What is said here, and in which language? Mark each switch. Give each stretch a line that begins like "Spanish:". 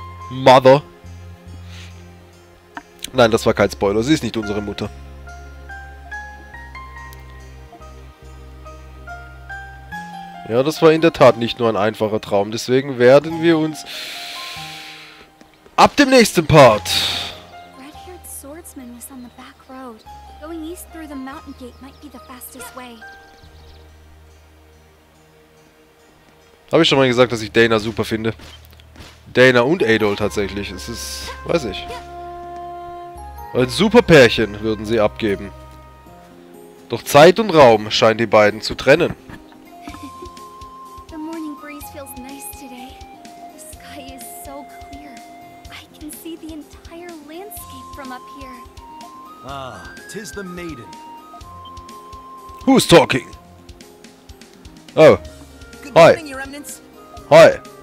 English: Mother.
German: Nein, das war kein Spoiler. Sie ist nicht unsere Mutter. Ja, das war in der Tat nicht nur ein einfacher Traum. Deswegen werden wir uns... ab dem nächsten Part.
English: Red-haired Swordsman was on the back road. Going east through the mountain gate might be the fastest way.
German: Habe ich schon mal gesagt, dass ich Dana super finde. Dana und Adol tatsächlich. Es ist, weiß ich. Ein super Pärchen würden sie abgeben. Doch Zeit und Raum scheinen die beiden zu trennen.
English: The morning breeze feels nice today. The sky is so clear. I can see the entire landscape from up here. Ah, tis the maiden. Who's talking? Oh. Hi. Hi.